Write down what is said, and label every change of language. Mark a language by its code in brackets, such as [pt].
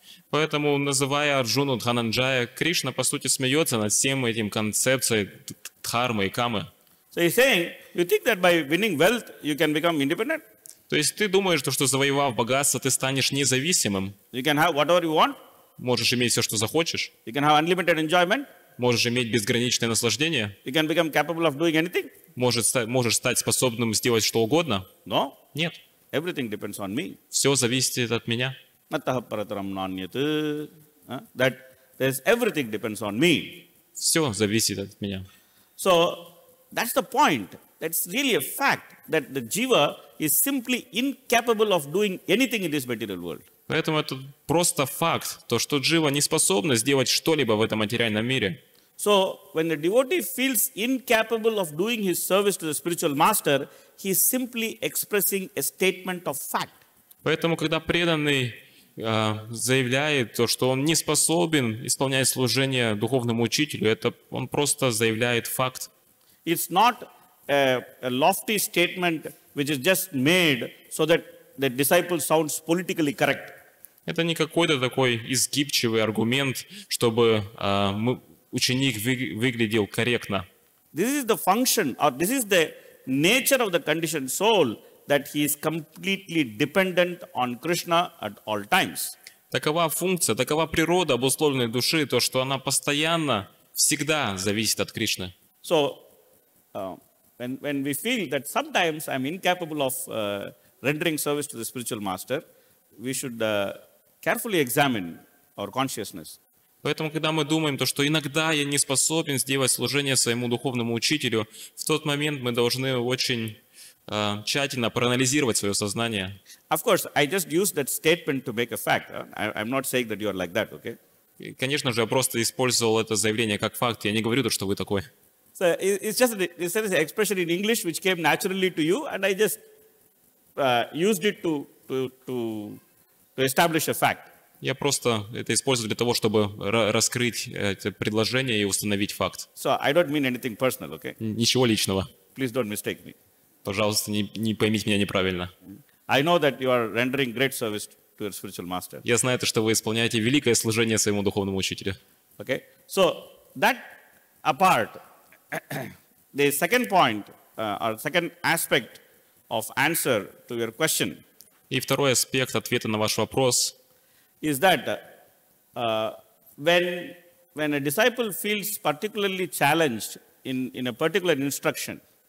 [ru] Поэтому, называя Арджуну Дхананджая, Кришна, по сути, смеется над всем этим концепцией дхармы и камы. [en] So he's saying, you think that by winning wealth, you can become independent? [ru] То есть ты думаешь, что завоевав богатство, ты станешь независимым? [en] You can have whatever you want. [ru] Можешь иметь все, что захочешь. [en] You can have unlimited enjoyment. [ru] Можешь иметь безграничное наслаждение. [en] You can become capable of doing anything. [ru] Можешь стать способным сделать что угодно. [en] No. [ru] Нет. [en] Everything depends on me. [ru] Все зависит от меня. [sa] Натаха паратарам наньяте. [en] That there's everything depends on me. [ru] Все зависит от меня. [en] So that's the point. That's really a fact that the jiva is simply incapable of doing anything in this material world. [ru] Поэтому это просто факт, то, что джива не способна сделать что-либо в этом материальном мире. [en] So, when the devotee feels incapable of doing his service to the spiritual master, he is simply expressing a statement of fact. [ru] Поэтому, когда преданный заявляет то, что он не способен исполнять служение духовному учителю, это он просто заявляет факт. [en] It's not a lofty statement which is just made so that the disciple sounds politically correct. [ru] Это не какой-то такой изгибчивый аргумент, чтобы ученик выглядел корректно. [en] This is the function, or this is the nature of the conditioned soul, that he is completely dependent on Krishna at all times. [ru] Такова функция, такова природа обусловленной души, то, что она постоянно, всегда зависит от Кришны. [en] So, when we feel that sometimes I'm incapable of rendering service to the spiritual master, we should carefully examine our consciousness. [ru] Поэтому, когда мы думаем, то, что иногда я не способен сделать служение своему духовному учителю, в тот момент мы должны очень тщательно проанализировать свое сознание. [en] Of course, I just used that statement to make a fact. I'm not saying that you are like that, okay? [ru] И, конечно же, я просто использовал это заявление как факт. Я не говорю то, что вы такой. [en] So, it's just an expression in English which came naturally to you, and I just used it to establish a fact. [ru] Я просто это использую для того, чтобы раскрыть это предложение и установить факт. [en] So, I don't mean anything personal, okay? [ru] Ничего личного. [en] Please don't mistake me. [ru] Пожалуйста, не поймите меня неправильно. [en] I know that you are rendering great service to your spiritual master. [ru] Я знаю, что вы исполняете великое служение своему духовному учителю. [en] Okay? So, that apart, the second point, or second aspect of answer to your question. [ru] И второй аспект ответа на ваш вопрос. [en] Is that when a disciple feels particularly challenged in a particular instruction?